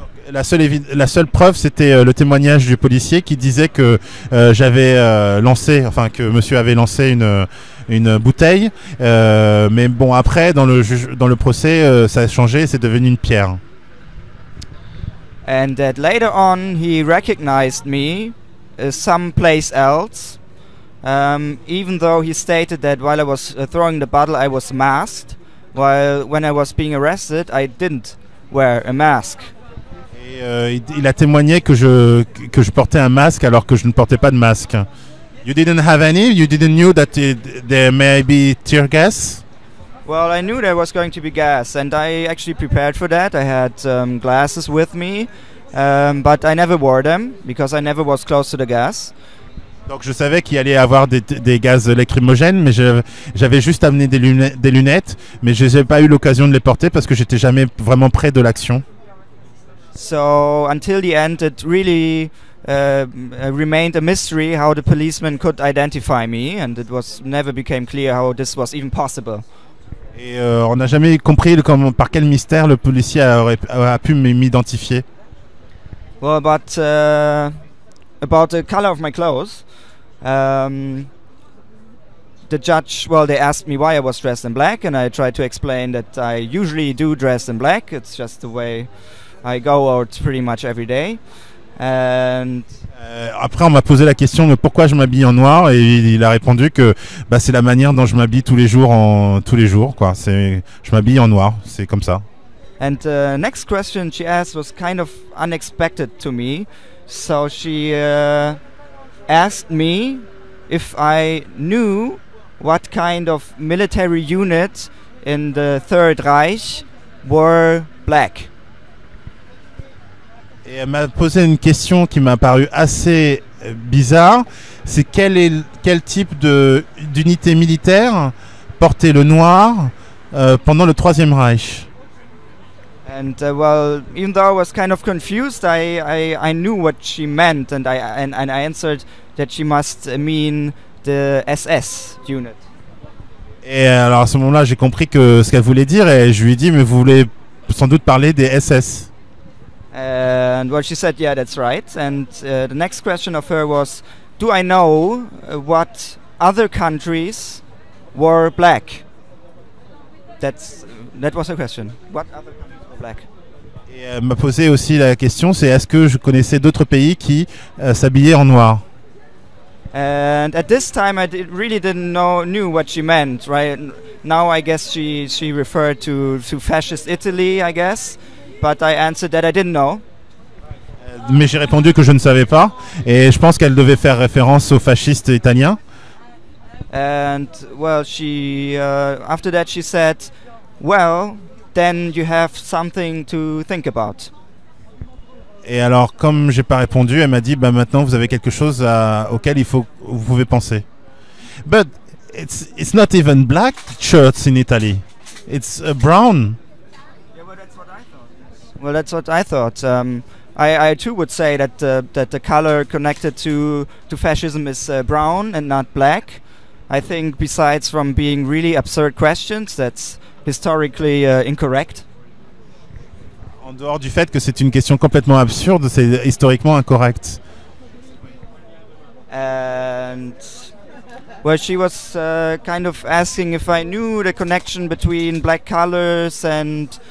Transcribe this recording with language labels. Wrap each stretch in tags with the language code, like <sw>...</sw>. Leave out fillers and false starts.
<fr>la seule preuve, c'était le témoignage du policier qui disait que j'avais lancé, enfin que monsieur avait lancé une bouteille. Mais bon, après, dans le procès, ça a changé. C'est devenu une pierre.</fr> <en>And that later on he recognized me someplace else, even though he stated that while I was throwing the bottle I was masked, while when I was being arrested I didn't wear a mask.</en> <fr>Il a témoigné que je portais un masque alors que je ne portais pas de masque.</fr> <en>You didn't have any? You didn't know that there may be tear gas? Well, I knew there was going to be gas, and I actually prepared for that. I had glasses with me, but I never wore them because I never was close to the gas.</en> <fr>Donc je savais qu'il allait avoir des gaz lacrymogènes, mais j'avais juste amené des lunettes, mais je n'ai pas eu l'occasion de les porter parce que j'étais jamais vraiment près de l'action.</fr> <en>So until the end, it really remained a mystery how the policeman could identify me, and it was never became clear how this was even possible.</en> <fr>Et on n'a jamais compris par quel mystère le policier a pu m'identifier.</fr> <en>Well, but about the color of my clothes, the judge, well, they asked me why I was dressed in black, and I tried to explain that I usually do dress in black. It's just the way I go out pretty much every day. And</en> <fr>après, on m'a posé la question de pourquoi je m'habille en noir, et il a répondu que c'est la manière dont je m'habille tous les jours, quoi. C'est, je m'habille en noir, c'est comme ça.</fr> <en>And the next question she asked was kind of unexpected to me, so she asked me if I knew what kind of military unit in the Third Reich were black.</en> <fr>Et elle m'a posé une question qui m'a paru assez bizarre, c'est quel type d'unité militaire portait le noir pendant le Troisième Reich.</fr> <en>And well, even though I was kind of confused, I knew what she meant, and I answered that she must mean the SS unit.</en> <fr>Et alors à ce moment-là, j'ai compris que ce qu'elle voulait dire, et je lui ai dit, mais vous voulez sans doute parler des SS.</fr> <en>And well, she said, yeah, that's right. And the next question of her was, do I know what other countries were black? That was her question. What other countries were black?</en> <fr>Et elle m'a posé aussi la question, c'est est-ce que je connaissais d'autres pays qui s'habillaient en noir?</fr> <en>And at this time, I really didn't knew what she meant, right? Now, I guess she referred to fascist Italy, I guess. But I answered that I didn't know.</en> <fr>Mais j'ai répondu que je ne savais pas, et je pense qu'elle devait faire référence aux fascistes italiens.</fr> <en>And well, she after that she said, well, then you have something to think about.</en> <fr>Et alors, comme j'ai pas répondu, elle m'a dit, maintenant vous avez quelque chose auquel vous pouvez penser.</fr> <en>But it's not even black shirts in Italy. It's brown. Well, that's what I thought. I too would say that that the color connected to fascism is brown and not black. I think, besides from being really absurd questions, that's historically incorrect.</en> <fr>En dehors du fait que c'est une question complètement absurde, c'est historiquement incorrect.</fr> <en>And well, she was kind of asking if I knew the connection between black colors and</en>